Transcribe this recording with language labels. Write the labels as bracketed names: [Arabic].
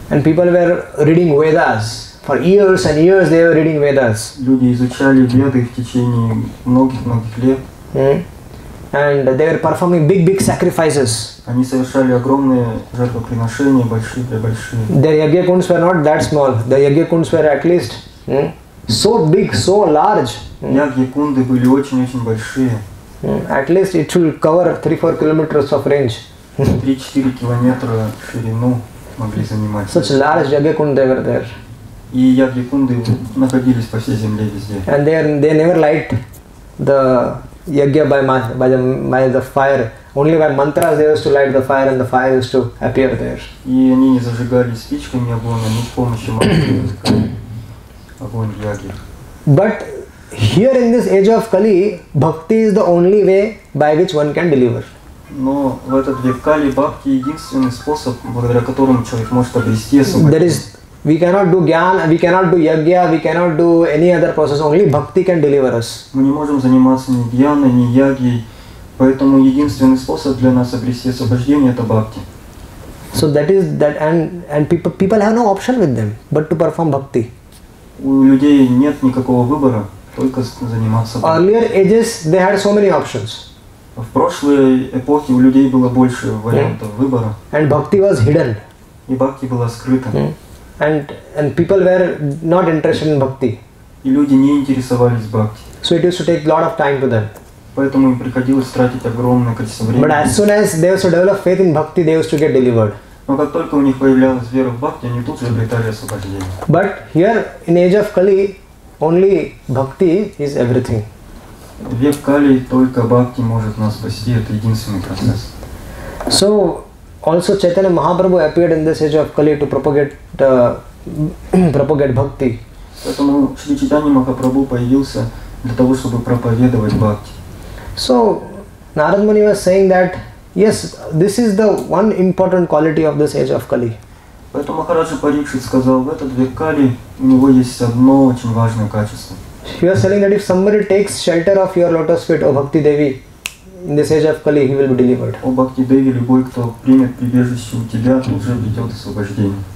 [English] And people were reading Vedas. For years and years they were reading Vedas. [Russian] Люди изучали Веды в течение многих-многих лет. [English] And they were performing big sacrifices. [Russian] Они совершали огромные жертвоприношения, большие. [English] Their yagya kunds were not that small. Their yagya kunds were at least so big, so large. [Russian] Yagya kunды были очень-очень большие. [English] At least it should cover 3-4 kilometers of range. [Russian] 3-4 километра ширину могли занимать. [English] Such large yagya kunds they were there. [Russian] И yagya kunды находились по всей земле везде. [English] And they never light the yagya by the fire. Only by mantras they used to light the fire and the fire used to appear there. [Russian] И они не зажигали спичками огонь, они с помощью мантры зажигали огонь в яге. [English] But here in this age of Kali, bhakti is the only way by which one can deliver. [Russian] Но в этот век Кали бхакти единственный способ, благодаря которому человек может обрести освобождение. [English] We cannot do jnana, we cannot do yagya, we cannot do any other process. Only bhakti can deliver us. [Russian] Мы не можем заниматься ни jnаной, ни ягьей, поэтому единственный способ для нас обрести освобождение — это бхакти. [English] So that is that, and people have no option with them but to perform bhakti. [Russian] У людей нет никакого выбора, только заниматься [English] bhakti. Earlier ages they had so many options. [Russian] В прошлые эпохи у людей было больше вариантов выбора. [English] And bhakti was hidden. [Russian] И bhakti была скрыта. [English] And people were not interested in bhakti. [Russian] И люди не интересовались bhakti. [English] So it used to take a lot of time for them. [Russian] Поэтому им приходилось тратить огромное количество времени. [English] But as soon as they used to develop faith in bhakti, they used to get delivered. [Russian] Но как только у них появлялась вера в bhakti, они тут же обретали освобождение. [English] But here in age of Kali, only bhakti is everything. [Russian] Век Кали, только бхакти может нас спасти, это единственный процесс. [English] So, also Chaitanya Mahaprabhu appeared in this age of Kali to propagate bhakti. [Russian] Поэтому Шри Чайтанья Махапрабху появился для того, чтобы проповедовать бхакти. [English] So, Narad Muni was saying that, yes, this is the one important quality of this age of Kali. [Russian] Поэтому Махараджа Парикшит сказал, в этот век Кали у него есть одно очень важное качество. [English] He was telling that if somebody takes shelter of your lotus feet, O Bhakti Devi, in this age of Kali, he will be delivered. [Russian] O Bhakti Devi, любой, кто примет прибежище у тебя, уже придет освобождение.